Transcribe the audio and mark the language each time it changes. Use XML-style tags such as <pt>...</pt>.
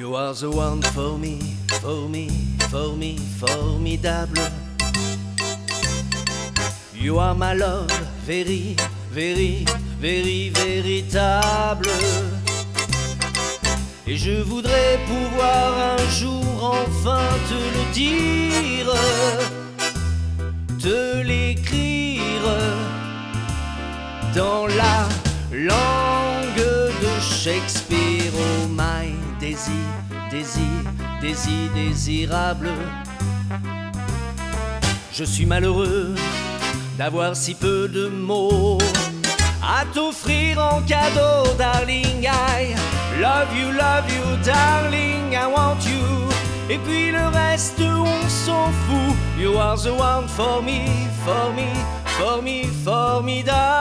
<en>are the one for me, for me, for me,</en> <fr>formidable.</fr> <en>You are my love, very, very, very,</en> <fr>véritable. Et je voudrais pouvoir un jour enfin te le dire, te l'écrire dans la langue de Shakespeare.</fr> <en>Oh my</en> <fr>désir, désir, désir, désirable. Je suis malheureux d'avoir si peu de mots à t'offrir en cadeau, darling.</fr> <en>I love you, darling, I want you.</en> <fr>Et puis le reste, on s'en fout.</fr> <en>You are the one for me, for me, for me, formidable.</en>